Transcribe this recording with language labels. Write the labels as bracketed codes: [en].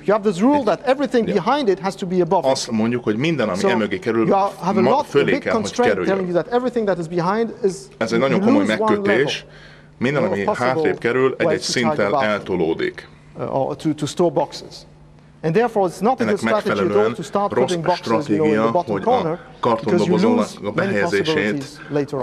[en] You have this rule that everything behind it has to be above it. [hu] Mondjuk, hogy minden, ami emögé kerül, fölé kell, hogy kerüljön. [en] You have a lot of constraint telling you that everything that is behind is. [hu] Ez egy nagyon komoly megkötés. Minden, ami hátrébb kerül, egy szinttel eltolódik. [en] To store boxes. And therefore it's not a good strategy at all to start putting boxes below in the bottom corner because you lose many possibilities later on.